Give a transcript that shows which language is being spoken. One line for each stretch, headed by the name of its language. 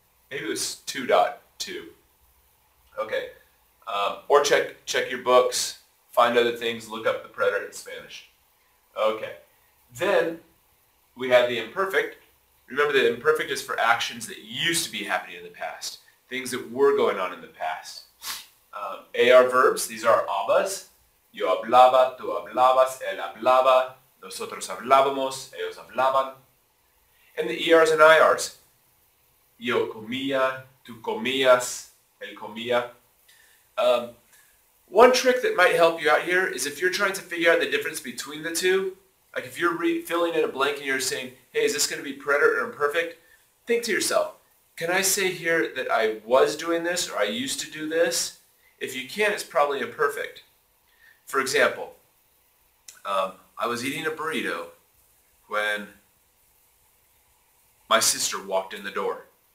English: Maybe it was 2.2. Okay, or check your books, find other things, look up the preterite in Spanish. Okay, then we have the imperfect. Remember, the imperfect is for actions that used to be happening in the past, things that were going on in the past. AR verbs, these are habas.
Spanish: Yo hablaba, tú hablabas, él hablaba, nosotros hablábamos, ellos hablaban.
English: And the ERs and IRs,
Spanish: yo comía, tú comías, el comía.
English: One trick that might help you out here is if you're trying to figure out the difference between the two, like if you're filling in a blank and you're saying, hey, is this going to be preterite or imperfect? Think to yourself, can I say here that I was doing this or I used to do this? If you can, it's probably imperfect. For example, I was eating a burrito when my sister walked in the door.